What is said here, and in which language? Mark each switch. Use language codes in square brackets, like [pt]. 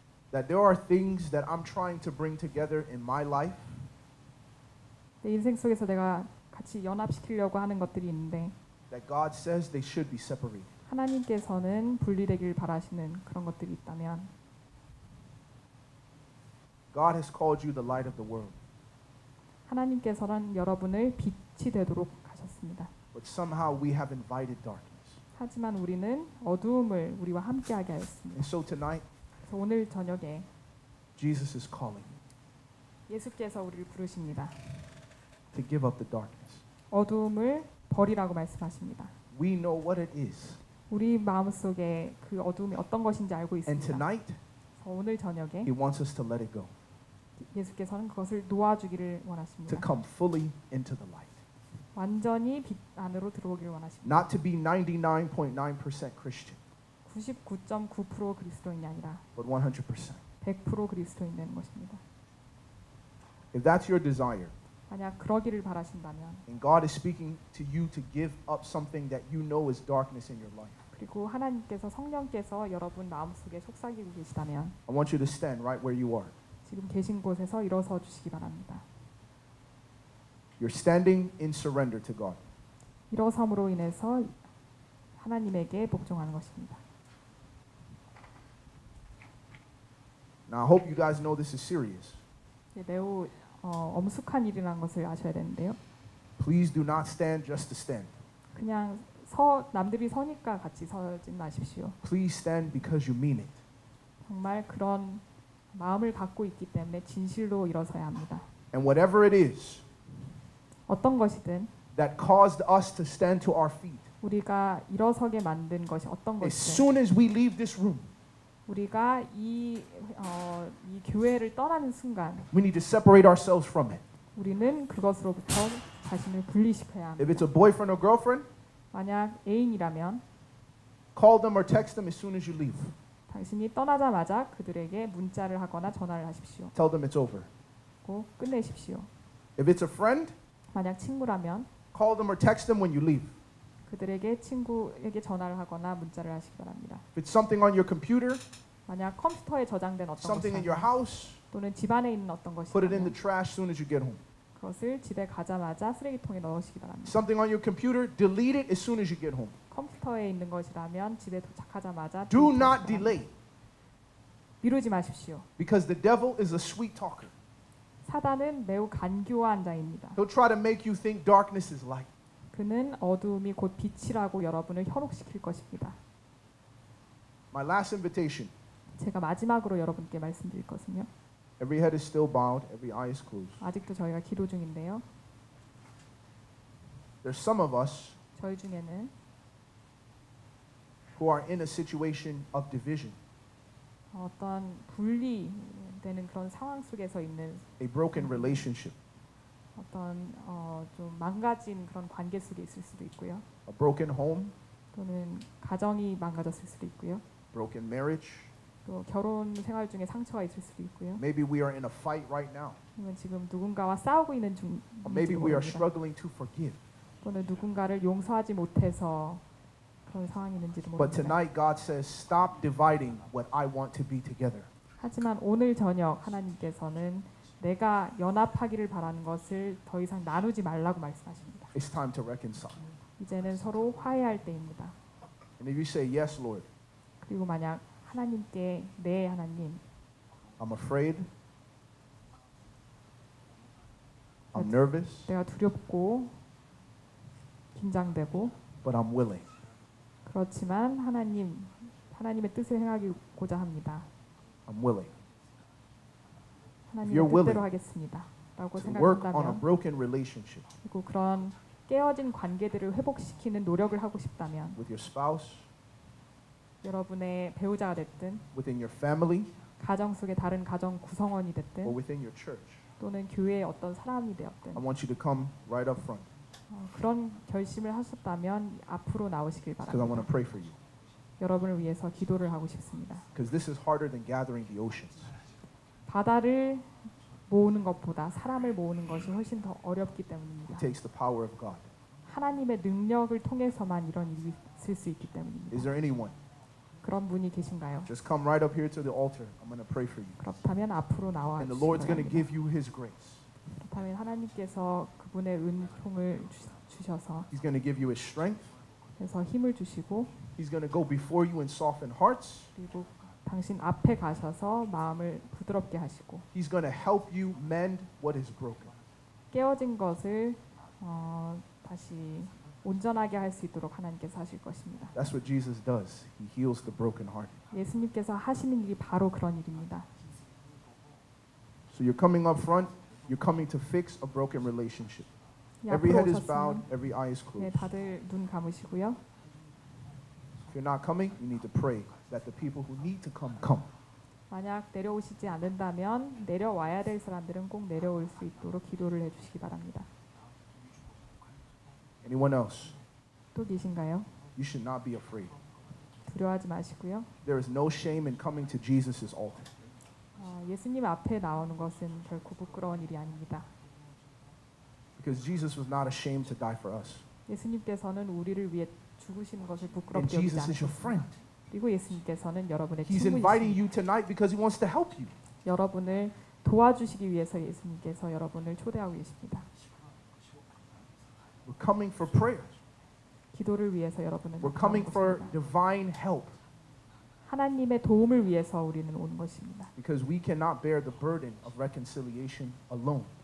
[en] that there are things that I'm trying to bring together in my life [ko] 내 인생 속에서 내가 같이 연합시키려고 하는 것들이 있는데 [en] that God says they should be separated [ko] 하나님께서는 분리되길 바라시는 그런 것들이 있다면 [en] God has called you the light of the world. [ko] 하나님께서는 여러분을 빛이 되도록 하셨습니다. [en] But somehow we have invited darkness. [ko] 하지만 우리는 어두움을 우리와 함께 하게 하였습니다. [en] So tonight, [ko] 오늘 저녁에 [en] Jesus is calling. [ko] 예수께서 우리를 부르십니다. [en] To give up the darkness. [ko] 어두움을 버리라고 말씀하십니다. [en] We know what it is. [ko] 우리 마음속에 그 어둠이 어떤 것인지 알고 있습니다. [en] And tonight, [ko] 오늘 저녁에 [en] He wants us to let it go. [ko] 예수께서는 그것을 놓아주기를 원하십니다. [en] To come fully into the light. [ko] 완전히 빛 안으로 들어오기를 원하십니다. [en] Not to be 99.9% Christian. [ko] 99.9% 그리스도인이 아니라 [en] But 100%. [ko] 100% 그리스도인 되는 것입니다. [en] If that's your desire. [ko] 만약 그러기를 바라신다면 [en] And God is speaking to you to give up something that you know is darkness in your life. [ko] 그리고 하나님께서 성령께서 여러분 마음속에 속삭이고 계시다면 [en] I want you to stand right where you are. [ko] 지금 계신 곳에서 일어서 주시기 바랍니다. [en] You're standing in surrender to God. [ko] 일어섬으로 인해서 하나님에게 복종하는 것입니다. [en] Now I hope you guys know this is serious. [ko] 예, 매우 엄숙한 일이라는 것을 아셔야 되는데요. [en] Please do not stand just to stand. [ko] 그냥 서 남들이 서니까 같이 서지 마십시오. [en] Please stand because you mean it. [ko] 정말 그런 마음을 갖고 있기 때문에 진실로 일어서야 합니다. [en] And whatever it is. [ko] 어떤 것이든 [en] that caused us to stand to our feet. [ko] 우리가 일어서게 만든 것이 어떤 것이든 [en] As soon as we leave this room. [ko] 우리가 이 교회를 떠나는 순간 [en] we need to separate ourselves from it. [ko] 우리는 그것으로부터 자신을 분리시켜야 합니다. [en] If it's a boyfriend or girlfriend. [ko] 만약 애인이라면 [en] call them or text them as soon as you leave. [ko] 당신이 떠나자마자 그들에게 문자를 하거나 전화를 하십시오. [en] Tell them it's over. [ko] 끝내십시오. [en] If it's a friend. [ko] 만약 친구라면 [en] call them or text them when you leave. [ko] 그들에게 친구에게 전화를 하거나 문자를 하시기 바랍니다. [en] If it's something on your computer. [ko] 만약 컴퓨터에 저장된 어떤 [en] something [ko] 것이 [en] in your house. [ko] 또는 집 안에 있는 어떤 것이 [en] put it in the trash soon as you get home. [ko] 그것을 집에 가자마자 쓰레기통에 넣으시기 바랍니다. [en] Something on your computer, delete it as soon as you get home. [ko] 컴퓨터에 있는 것이라면 집에 도착하자마자 [en] do not delay. [ko] 미루지 마십시오. [en] Because the devil is a sweet talker. [ko] 사단은 매우 간교한 자입니다. [en] He'll try to make you think darkness is light. [ko] 그는 어두움이 곧 빛이라고 여러분을 현혹시킬 것입니다. [en] My last invitation. [ko] 제가 마지막으로 여러분께 말씀드릴 것은요. [en] Every head is still bowed, every eye is closed. [ko] 아직도 저희가 기도 중인데요. [en] There's some of us [ko] 저희 중에는 [en] who are in a situation of division. [ko] 어떤 분리되는 그런 상황 속에서 있는 [en] a broken relationship. [ko] 어떤 좀 망가진 그런 관계 속에 있을 수도 있고요. [en] A broken home. [ko] 또는 가정이 망가졌을 수도 있고요. [en] Broken marriage. [ko] 또 결혼 생활 중에 상처가 있을 수도 있고요. [en] Maybe we are in a fight right now. [ko] 또는 지금 누군가와 싸우고 있는 중. [en] Or maybe we are struggling to forgive. [ko] 또는 누군가를 용서하지 못해서 그런 상황이 있는지도 모릅니다. [en] But tonight God says, stop dividing what I want to be together. [ko] 하지만 오늘 저녁 하나님께서는 내가 연합하기를 바라는 것을 더 이상 나누지 말라고 말씀하십니다. [en] It's time to reconcile. [ko] 이제는 서로 화해할 때입니다. [en] And if you say yes, Lord. [ko] 그리고 만약 하나님께 네, 하나님. [en] I'm afraid. I'm nervous. [ko] 내가 두렵고 긴장되고. [en] But I'm willing. [ko] 그렇지만 하나님의 뜻을 행하고자 합니다. [en] I'm willing. If you're willing to work on a broken relationship, [ko] 그리고 그런 깨어진 관계들을 회복시키는 노력을 하고 싶다면, [en] with your spouse, [ko] 여러분의 배우자가 됐든, [en] within your family, [ko] 가정 속의 다른 가정 구성원이 됐든, [en] or within your church, [ko] 또는 교회의 어떤 사람이 되었든, [en] I want you to come right up front. [ko] 그런 결심을 하셨다면 앞으로 나오시길 바랍니다. [en] Because I want to pray for you. [ko] 여러분을 위해서 기도를 하고 싶습니다. [en] Because this is harder than gathering the oceans. [ko] 바다를 모으는 것보다 사람을 모으는 것이 훨씬 더 어렵기 때문입니다. [en] It takes the power of God. [ko] 하나님의 능력을 통해서만 이런 일이 있을 수 있기 때문입니다. [en] Is there anyone? [ko] 그런 분이 계신가요? [en] Just come right up here to the altar. I'm going to pray for you. [ko] 그렇다면 앞으로 나와 주시기 [en] And the Lord's going to give you His grace. [ko] 그렇다면 하나님께서 그분의 은총을 주셔서 [en] He's going to give you His strength. [ko] 그래서 힘을 주시고 [en] He's going to go before you and soften hearts. [ko] 그리고 당신 앞에 가셔서 마음을 부드럽게 하시고 [en] He's going to help you mend what is broken. [ko] 깨어진 것을 다시 온전하게 할 수 있도록 하나님께서 하실 것입니다. [en] That's what Jesus does. He heals the broken heart. [ko] 예수님께서 하시는 일이 바로 그런 일입니다. [en] So you're coming up front. You're coming to fix a broken relationship. Every head is bowed, every eye is closed. [ko] 네, 다들 눈 감으시고요. [en] If you're not coming, you need to pray that the people who need to come come. [ko] 만약 내려오시지 않는다면 내려와야 될 사람들은 꼭 내려올 수 있도록 기도를 해 주시기 바랍니다. [en] Anyone else? [ko] 또 계신가요? [en] You should not be afraid. [ko] 두려워하지 마시고요. [en] There is no shame in coming to Jesus's altar. [ko] 예수님 앞에 나오는 것은 결코 부끄러운 일이 아닙니다. [en] Because Jesus was not ashamed to die for us. [ko] 예수님께서는 우리를 위해 죽으시는 것을 부끄럽게 여기지 않으셨습니다. 그리고 예수님께서는 여러분의 친구이십니다. [en] He's inviting you tonight because he wants to help you. [ko] 여러분을 도와주시기 위해서 예수님께서 여러분을 초대하고 계십니다. [en] We're coming for prayer. [ko] 기도를 위해서 여러분은 [en] We're coming for divine help. [ko] 하나님의 도움을 위해서 우리는 오는 것입니다. [en] Because we cannot bear the burden of reconciliation alone.